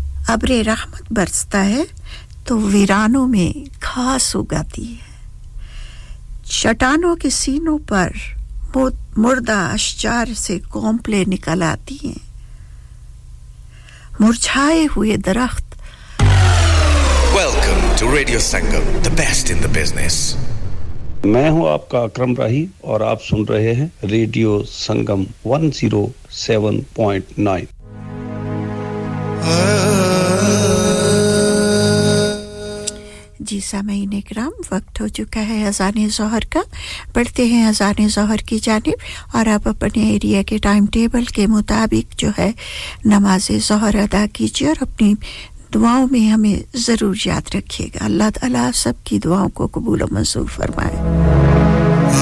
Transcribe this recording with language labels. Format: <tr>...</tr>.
<ur>ابر رحمت برستا ہے تو ویرانوں میں گھاس اگاتی ہے چٹانوں کے سینوں پر مردہ اشجار سے کونپلے نکل آتی ہیں مرچھائے ہوئے درخت</ur> <en>welcome to Radio Sangam the best in the business</en> <ur>میں ہوں آپ کا اکرم راہی اور آپ سن رہے ہیں ریڈیو سنگم 107.9 جی سامعین اکرام وقت ہو چکا ہے اذان ظہر کا بڑھتے ہیں اذان ظہر کی جانب اور آپ اپنے ایریا کے ٹائم ٹیبل کے مطابق جو ہے نماز ظہر ادا کیجیے اور اپنی دعاؤں میں ہمیں ضرور یاد رکھیے گا اللہ تعالیٰ سب کی دعاؤں کو قبول و منظور فرمائے</ur>